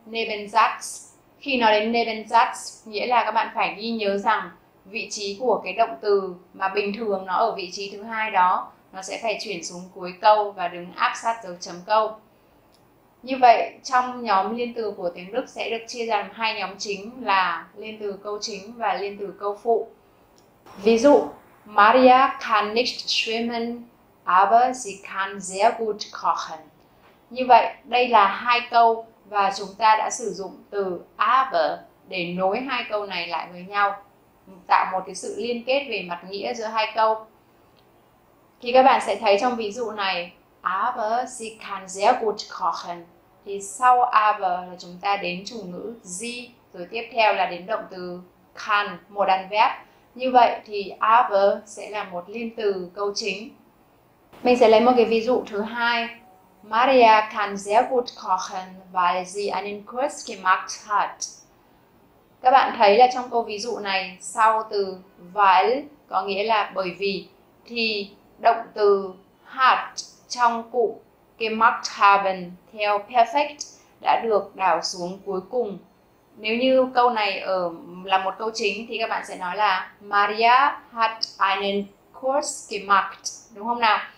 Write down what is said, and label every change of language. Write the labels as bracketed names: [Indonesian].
[Vietnamese] Nebensatz. Khi nói đến Nebensatz nghĩa là các bạn phải ghi nhớ rằng vị trí của cái động từ mà bình thường nó ở vị trí thứ hai đó nó sẽ phải chuyển xuống cuối câu và đứng áp sát dấu chấm câu. Như vậy trong nhóm liên từ của tiếng Đức sẽ được chia làm hai nhóm chính là liên từ câu chính và liên từ câu phụ. Ví dụ [German] Maria kann nicht schwimmen, aber sie kann sehr gut kochen. [Vietnamese] Như vậy đây là hai câu và chúng ta đã sử dụng từ aber để nối hai câu này lại với nhau, tạo một cái sự liên kết về mặt nghĩa giữa hai câu. Thì các bạn sẽ thấy trong ví dụ này, [German] aber sie kann sehr gut kochen. [Vietnamese] Thì sau aber là chúng ta đến chủ ngữ sie, rồi tiếp theo là đến động từ kann, một đàn verb. Như vậy thì aber sẽ là một liên từ câu chính. Mình sẽ lấy một cái ví dụ thứ hai. [German] Maria kann sehr gut kochen, weil sie einen Kurs gemacht hat. [Vietnamese] Các bạn thấy là trong câu ví dụ này sau từ weil có nghĩa là bởi vì thì động từ hat trong cụm gemacht haben theo perfect đã được đảo xuống cuối cùng. Nếu như câu này ở là một câu chính thì các bạn sẽ nói là [German] Maria hat einen Kurs gemacht, [Vietnamese] đúng không nào?